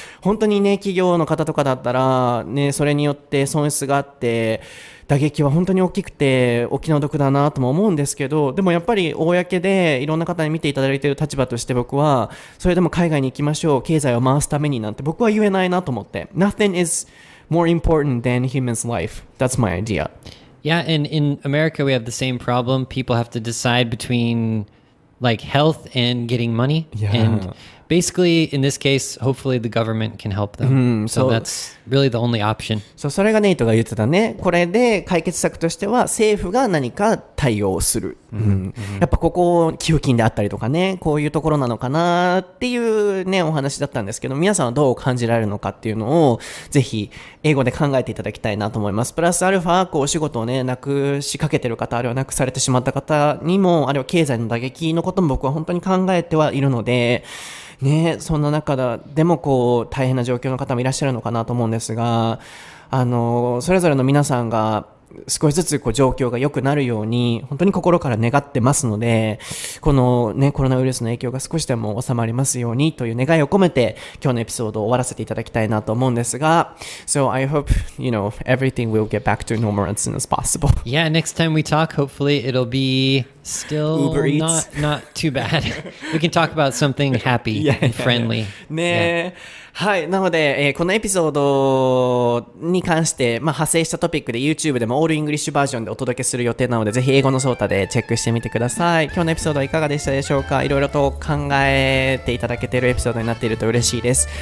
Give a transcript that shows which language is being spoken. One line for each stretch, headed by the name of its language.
Japanese: 本当にね、企業の方とかだったらね、それによって損失があって打撃は本当に大きくてお気の毒だなとも思うんですけど、でもやっぱり公でいろんな方に見ていただいている立場として、僕はそれでも海外に行きましょう、経済を回すためになんて僕は言えないなと思って。
English: Nothing isMore important than human's life. That's my idea. Yeah, and in America, we have the same problem. People have to decide between, like, health and getting money. Yeah. And basically, in this case, hopefully the government can help them. Mm-hmm. So that's really the only option.
Japanese: So, それがネイトが言ってたね。これで解決策としては政府が何か対応をする。 Mm-hmm. やっぱここ寄付金であったりとかね、こういうところなのかなっていうね、お話だったんですけど、皆さんはどう感じられるのかっていうのをぜひ英語で考えていただきたいなと思います。プラスアルファ、こうお仕事をねなくしかけてる方、あるいはなくされてしまった方にも、あるいは経済の打撃のことも僕は本当に考えてはいるのでね、そんな中だでもこう大変な状況の方もいらっしゃるのかなと思うんですが、あのそれぞれの皆さんが少しずつこう状況が良くなるように本当に心から願ってますので、この、ね、コロナウイルスの影響が少しでも収まりますようにという願いを込めて今日のエピソードを終わらせていただきたいなと思うんですが、
English: So I hope you know everything will get back to normal as soon as possible. Yeah, next time we talk, hopefully it'll be still not too bad. We can talk about something happy yeah, and friendly. Yeah, yeah. ねえ、yeah. はい。
Japanese: なので、このエピソードに関して、まあ、派生したトピックで YouTube でもオールイングリッシュバージョンでお届けする予定なので、ぜひ英語のそーたでチェックしてみてください。今日のエピソードはいかがでしたでしょうか？いろいろと考えていただけているエピソードになっていると嬉しいです。